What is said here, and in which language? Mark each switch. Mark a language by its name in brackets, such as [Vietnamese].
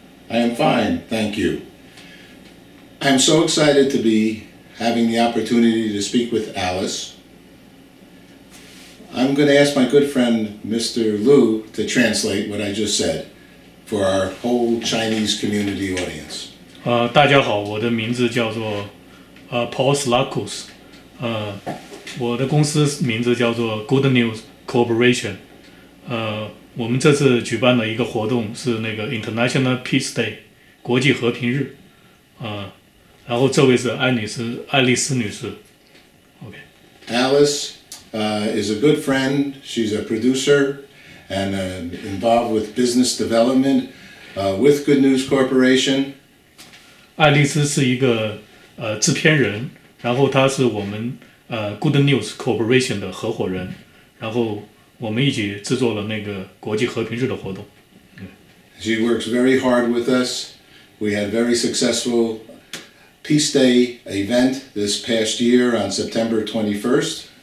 [English] I am fine, thank you. I'm so excited to be having the opportunity to speak with Alice. I'm going to ask my good friend, Mr. Lu, to translate what I just said for our whole Chinese community audience. [Chinese] 大家好，我的名字叫做 Paul Slatkis， 我的公司名字叫做 Good News Corporation。我们这次举办了一个活动，是那个 International Peace Day， 国际和平日。然后这位是爱丽丝女士。 [English] Okay. Alice is a good friend. She's a producer and involved with business development with Good News Corporation. [Chinese] 爱丽丝是一个制片人，然后她是我们Good News Corporation 的合伙人，然后。我们一起制作了那个国际和平日的活动。 [English] She works very hard with us. We had a very successful Peace Day event this past year on September 21st.